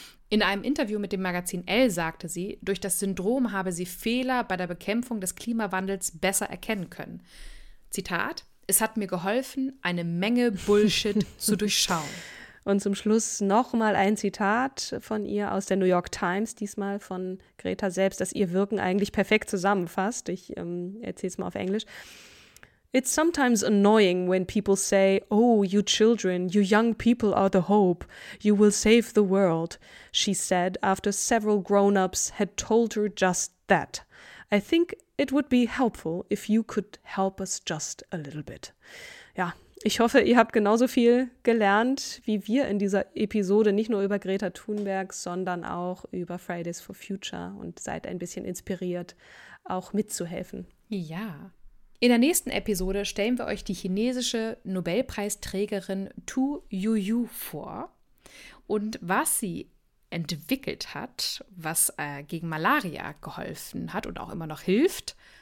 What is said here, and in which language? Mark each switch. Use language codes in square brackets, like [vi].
[de] In einem Interview mit dem Magazin Elle sagte sie, durch das Syndrom habe sie Fehler bei der Bekämpfung des Klimawandels besser erkennen können. Zitat: Es hat mir geholfen, eine Menge Bullshit zu durchschauen. Und zum Schluss noch mal ein Zitat von ihr aus der New York Times, diesmal von Greta selbst, das ihr Wirken eigentlich perfekt zusammenfasst. Ich erzähle es mal auf Englisch. [en] It's sometimes annoying when people say, oh, you children, you young people are the hope. You will save the world, she said, after several grown-ups had told her just that. I think it would be helpful if you could help us just a little bit. [de] Ja. Ich hoffe, ihr habt genauso viel gelernt wie wir in dieser Episode, nicht nur über Greta Thunberg, sondern auch über Fridays for Future und seid ein bisschen inspiriert, auch mitzuhelfen. Ja. In der nächsten Episode stellen wir euch die chinesische Nobelpreisträgerin Tu Youyou vor und was sie entwickelt hat, was gegen Malaria geholfen hat und auch immer noch hilft.